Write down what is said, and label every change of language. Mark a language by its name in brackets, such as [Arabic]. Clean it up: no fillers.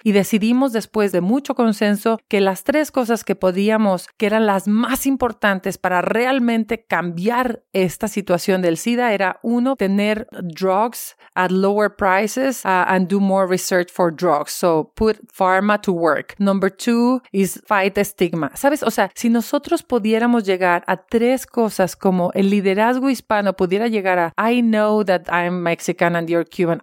[Spanish] Y decidimos después de mucho consenso que las tres cosas que podíamos, que eran las más importantes para realmente cambiar esta situación del SIDA, era uno, tener [English] drugs at lower prices and do more research for drugs. So put pharma to work. Number two is fight stigma. [Spanish] ¿Sabes? O sea, si nosotros pudiéramos llegar a tres cosas como el liderazgo hispano pudiera llegar a [English] I know that I'm Mexican and you're Cuban.